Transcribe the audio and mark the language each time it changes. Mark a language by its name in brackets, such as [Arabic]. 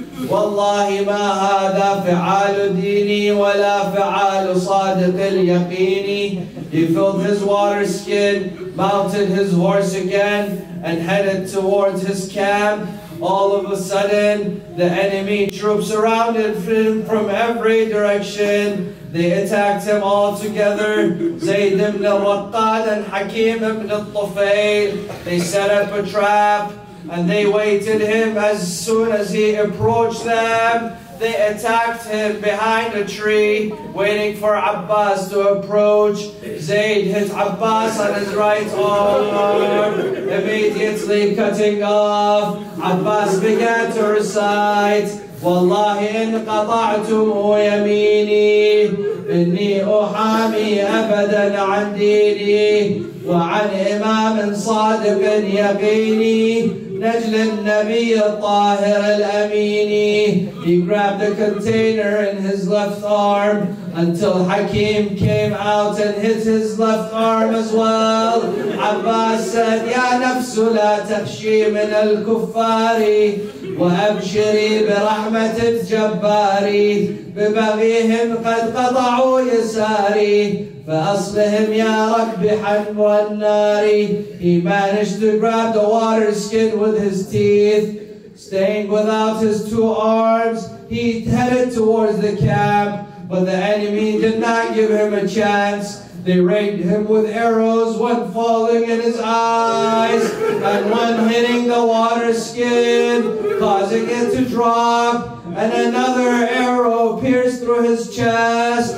[Arabic] والله ما هذا فعال ديني ولا فعال صادق اليقين. [English] He filled his water skin, mounted his horse again, and headed towards his camp. All of a sudden, the enemy troops surrounded him from every direction. They attacked him all together, Zayd ibn al-Waqqad and Hakim ibn al-Tufayl. They set up a trap, and they waited him as soon as he approached them. They attacked him behind a tree, waiting for Abbas to approach. Zayd hit Abbas on his right arm, immediately cutting off. Abbas began to recite, [Arabic] Wallahi in qata'tum yamini, inni uhami abadan an dini, wa an imamin sadiqin yaqini. نجل النبي الطاهر الأميني. [English] He grabbed the container in his left arm until Hakim came out and hit his left arm as well. Abbas said, [Arabic] يا نفس لا تخشي من الكفار وأبشري برحمة الجبار ببغيهم قد قطعوا يساري فأصلهم يا رب حنب النار. [English] He managed to grab the water skin with his teeth. Staying without his two arms, he headed towards the camp, but the enemy did not give him a chance. They rained him with arrows, one falling in his eyes, and one hitting the water skin, causing it to drop, and another arrow pierced through his chest.